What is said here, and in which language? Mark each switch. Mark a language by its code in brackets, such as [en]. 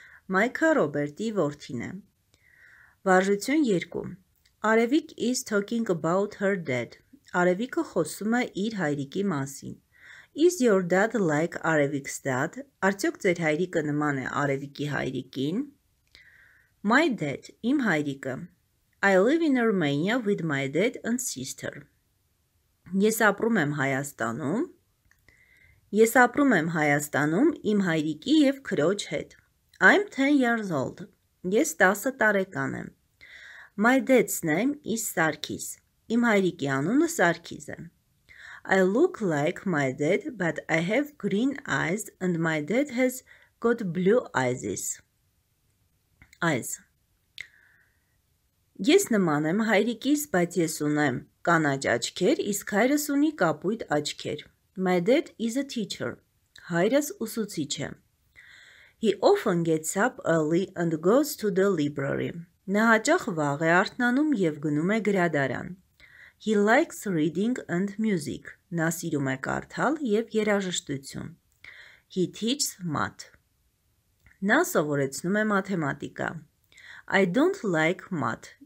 [hy] Mike-ը Robert-ի որդին է. Վարժություն 2. [en] Արևիկ is talking about her dad. [hy] Արևիկը խոսում է իր հայրիկի մասին. [en] Is your dad like Արևիկ's dad? [hy] Արդյոք ձեր հայրիկը նման է Արևիկի հայրիկին? [en] My dad, [hy] իմ հայրիկը. [en] I live in Romania with my dad and sister. [hy] Ես ապրում եմ Հայաստանում. Ես ապրում եմ Հայաստանում իմ հայրիկի և քրոջ հետ. [en] I'm 10 years old. [hy] Ես 10 տարեկան եմ. [en] My dad's name is Sarkis. [hy] Իմ հայրիկի անունը Սարգիս է. [en] I look like my dad, but I have green eyes and my dad has got blue eyes. Eyes. [hy] Ես նման եմ հայրիկիս, բայց ես ունեմ կանաչ աչքեր, իսկ հայրս ունի կապույտ աչքեր. [en] My dad is a teacher. [hy] Հայրս ուսուցիչ է. [en] He often gets up early and goes to the library. [hy] Նա հաճախ վաղ է արթնանում և գնում է գրադարան. [en] He likes reading and music. [hy] Նա սիրում է կարդալ և երաժշտություն. [en] He teaches math. [hy] Նա սովորեցնում է մաթեմատիկա. [en] I don't like math.